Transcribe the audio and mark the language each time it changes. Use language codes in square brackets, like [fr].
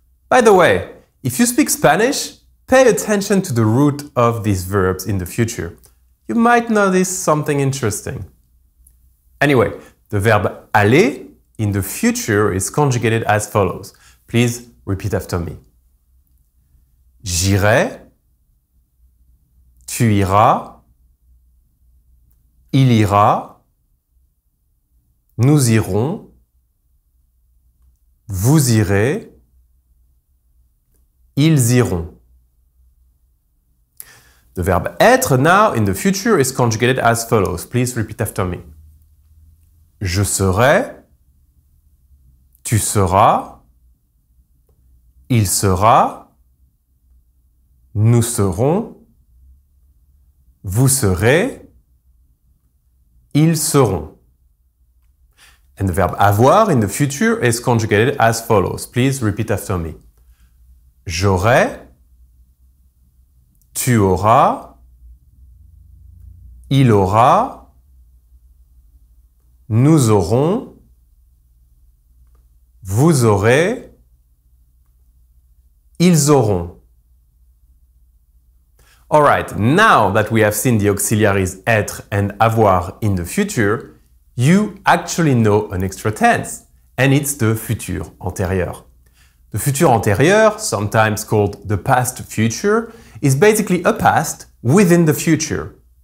[en] By the way, if you speak Spanish, pay attention to the root of these verbs in the future. You might notice something interesting. Anyway, the verb aller in the future is conjugated as follows. Please repeat after me. [fr] J'irai, tu iras, il ira, nous irons, vous irez, ils iront. [en] The verb être now in the future is conjugated as follows. Please repeat after me. [fr] Je serai, tu seras, il sera. Nous serons, vous serez, ils seront. [en] And the verb avoir in the future is conjugated as follows. Please repeat after me. [fr] J'aurai, tu auras, il aura, nous aurons, vous aurez, ils auront. [en] All right, now that we have seen the auxiliaries être and avoir in the future, you actually know an extra tense, and it's the futur antérieur. The futur antérieur, sometimes called the past future, is basically a past within the future.